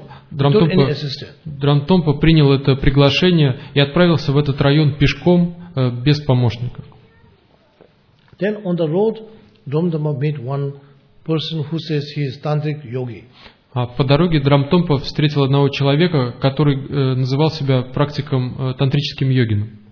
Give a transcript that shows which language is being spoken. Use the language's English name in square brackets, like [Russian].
[Russian] Драмтомпа принял это приглашение и отправился в этот район пешком, без помощника. [English] Then on the road, Dromdama met one person who says he is tantric yogi. [Russian] А по дороге Драмтомпа встретил одного человека, который называл себя практиком тантрическим йогином.